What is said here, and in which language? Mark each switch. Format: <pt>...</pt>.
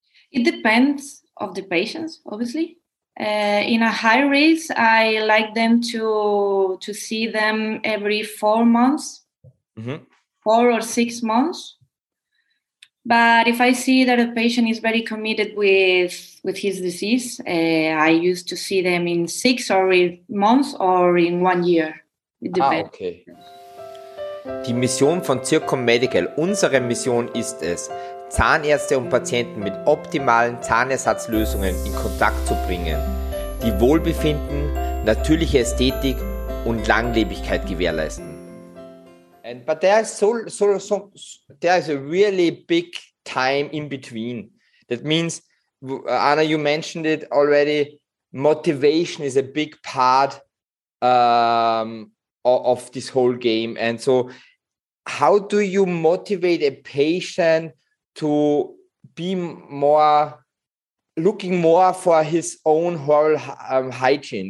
<en>It depends of the patients, obviously. In a high risk, I like them to see them every 4 months, mm-hmm. 4 or 6 months. But if I see that a patient is very committed with his disease, I used to see them in 6 months or in 1 year. It depends. Ah, okay.</en> <de>Die Mission von Zircon Medical, unsere Mission ist es, Zahnärzte und Patienten mit optimalen Zahnersatzlösungen in Kontakt zu bringen, die Wohlbefinden, natürliche Ästhetik und Langlebigkeit gewährleisten.</de> <en>And, but there is a really big time in between. That means, Anna, you mentioned it already, motivation is a big part of this whole game. And so how do you motivate a patient to be more, looking more for his own oral hygiene?</en>